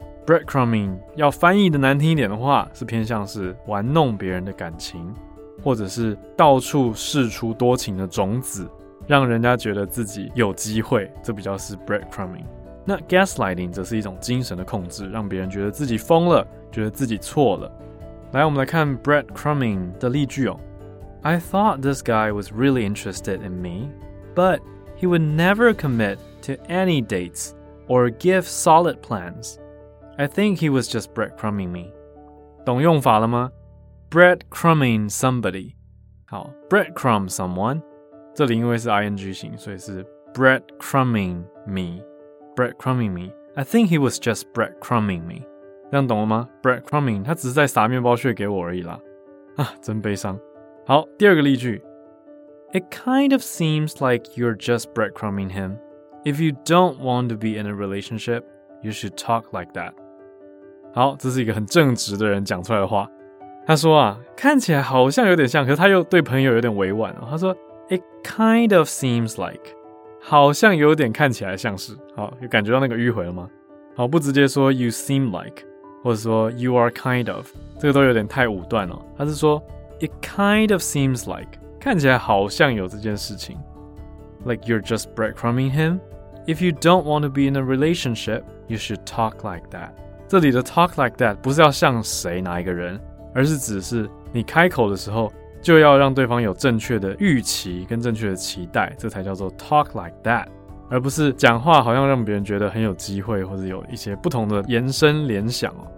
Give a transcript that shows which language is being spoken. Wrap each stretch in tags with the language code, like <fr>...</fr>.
<zh>breadcrumbing 要翻译的难听一点的话，是偏向是玩弄别人的感情，或者是到处释出多情的种子，让人家觉得自己有机会，这比较是 breadcrumbing。那 gaslighting 则是一种精神的控制，让别人觉得自己疯了，觉得自己错了。来，我们来看 breadcrumbing 的例句哦。</zh> <en>I thought this guy was really interested in me, but he would never commit to any dates or give solid plans. I think he was just breadcrumbing me.</en> <zh>懂用法了吗？</zh> <en>Breadcrumbing somebody. 好， breadcrumb someone.</en> <zh>这里因为是 ing 型，所以是</zh> <en>breadcrumbing me. Breadcrumbing me. I think he was just breadcrumbing me.</en> <zh>这样懂了吗？ Breadcrumbing 他只是在撒面包屑给我而已啦。啊，真悲伤。好，第二个例句。</zh> <en>It kind of seems like you're just breadcrumbing him. If you don't want to be in a relationship, you should talk like that.</en> <zh>好，这是一个很正直的人讲出来的话。他说啊，看起来好像有点像，可是他又对朋友有点委婉哦。他说 ，</zh> <en>It kind of seems like，</en> <zh>好像有点看起来像是。好，有感觉到那个迂回了吗？好，不直接说</zh> <en>you seem like，</en> <zh>或者说</zh> <en>you are kind of，</en> <zh>这个都有点太武断了。他是说 ，</zh> <en>It kind of seems like，</en> <zh>看起来好像有这件事情。</zh> <en>Like you're just breadcrumbing him. If you don't want to be in a relationship, you should talk like that.</en> <zh>这里的</zh> <en>talk like that</en> <zh>不是要像谁哪一个人，而是指是你开口的时候就要让对方有正确的预期跟正确的期待，这才叫做 talk like that， 而不是讲话好像让别人觉得很有机会或者有一些不同的延伸联想。</zh>